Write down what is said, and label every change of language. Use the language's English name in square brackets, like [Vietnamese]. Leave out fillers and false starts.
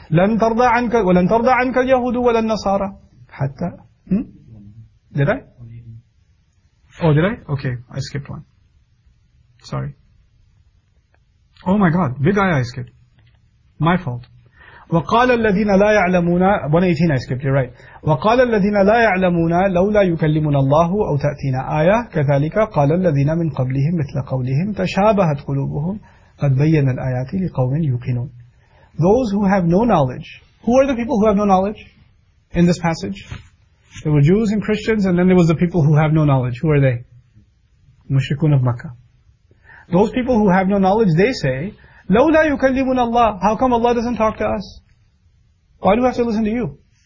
[Arabic] لَنْ تَرْضَى عَنْكَ وَلَنْ تَرْضَى عَنْكَ الْيَهُودُ وَلَنْ نَصَارَى حَتَّى [English] Did I? Oh, did I? Okay, I skipped one. Sorry. Oh my God, big ayah I skipped. My fault. [Arabic] وَقَالَ الَّذِينَ لَا يَعْلَمُونَ [English] 118 I skipped, you're right. [Arabic] وَقَالَ الَّذِينَ لَا يَعْلَمُونَ لَوْلَا يُكَلِّمُنَ اللَّهُ أَوْ تَأْتِينَ آيَةً كَذَلِكَ قَالَ الَّذِينَ مِنْ قَبْلِهِمْ مِثْلَ قَوْلِهِمْ تَشَابَهَتْ قُلُوبُهُمْ قَدْ بَيَّنَ الْآيَاتِ لِقَوْمٍ يُوقِنُونَ [English] Those who have no knowledge. Who are the people who have no knowledge in this passage? There were Jews and Christians, and then there was the people who have no knowledge. Who are they? Mushrikun of Makkah. Those people who have no knowledge, they say, [Arabic] لَوْلَا يُكَلِّمُنَ اللَّهُ [English] How come Allah doesn't talk to us? Why do we have to listen to you?